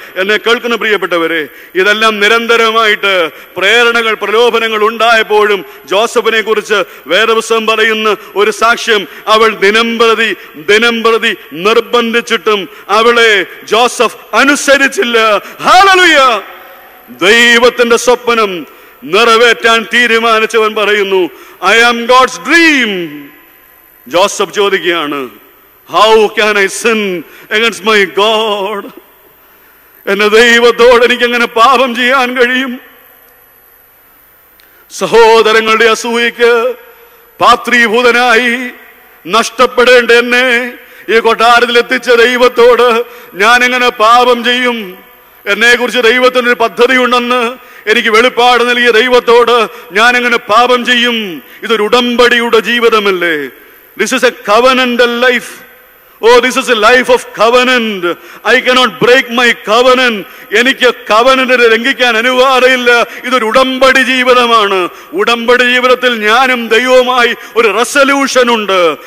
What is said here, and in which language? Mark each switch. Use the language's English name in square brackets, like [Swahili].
[Malayalam] എന്നെ കേൾക്കുന്ന പ്രിയപ്പെട്ടവരെ, ഇതെല്ലാം നിരന്തരമായിട്ട് പ്രേരണകൾ പ്രലോഭനങ്ങൾ ഉണ്ടായപ്പോഴും ജോസഫിനെ കുറിച്ച് വേറെ ദിവസം പറയുന്ന ഒരു സാക്ഷ്യം, അവൾ ദിനംപ്രതി നിർബന്ധിച്ചിട്ടും അവളെ ജോസഫ് അനുസരിച്ചില്ല. ഹാലലുയ. ദൈവത്തിന്റെ സ്വപ്നം നിറവേറ്റാൻ തീരുമാനിച്ചവൻ പറയുന്നു, [English] I am God's dream. [Malayalam] Joseph ചോദിക്കുകയാണ്, [English] How can I sin against my God? [Malayalam] എന്റെ ദൈവത്തോട് എനിക്ക് എങ്ങനെ പാപം ചെയ്യാൻ കഴിയും? സഹോദരങ്ങളുടെ അസൂയക്ക് പാത്രീഭൂതനായി നഷ്ടപ്പെടേണ്ട എന്നെ ഈ കൊട്ടാരത്തിൽ എത്തിച്ച ദൈവത്തോട് ഞാൻ എങ്ങനെ പാപം ചെയ്യും? എന്നെ കുറിച്ച് ദൈവത്തിനൊരു പദ്ധതിയുണ്ടെന്ന് എനിക്ക് വെളിപ്പാട് നൽകിയ ദൈവത്തോട് ഞാൻ എങ്ങനെ പാപം ചെയ്യും? ഇതൊരു ഉടമ്പടിയുടെ ജീവിതമല്ലേ? [English] This is a covenantal life. Oh, this is a life of covenant. I cannot break my covenant. [Malayalam] എനിക്ക് കവനന്റെ ലംഘിക്കാൻ അനുവാദമില്ല. ഇതൊരു ഉടമ്പടി ജീവിതമാണ്. ഉടമ്പടി ജീവിതത്തിൽ ഞാനും ദൈവവുമായി ഒരു റെസൊല്യൂഷൻ ഉണ്ട്.